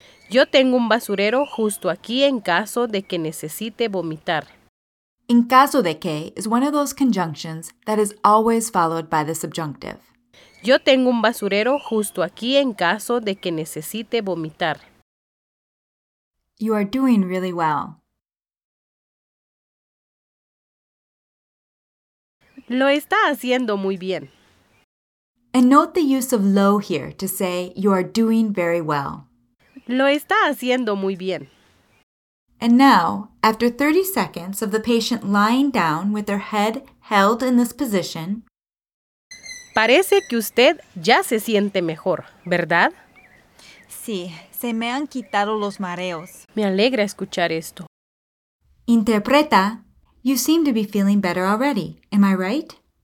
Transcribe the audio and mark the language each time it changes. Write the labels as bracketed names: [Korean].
[Spanish] Yo tengo un basurero justo aquí en caso de que necesite vomitar. En caso de que [English] is one of those conjunctions that is always followed by the subjunctive. [Spanish] Yo tengo un basurero justo aquí en caso de que necesite vomitar. [English] You are doing really well. [Spanish] Lo está haciendo muy bien. [English] And note the use of lo here to say you are doing very well. [Spanish] Lo está haciendo muy bien. [English] And now, after 30 seconds of the patient lying down with their head held in this position, [Spanish] parece que usted ya se siente mejor, ¿verdad? Sí, se me han quitado los mareos. Me alegra escuchar esto. [English] Interpreta, you seem to be feeling better already, am I right?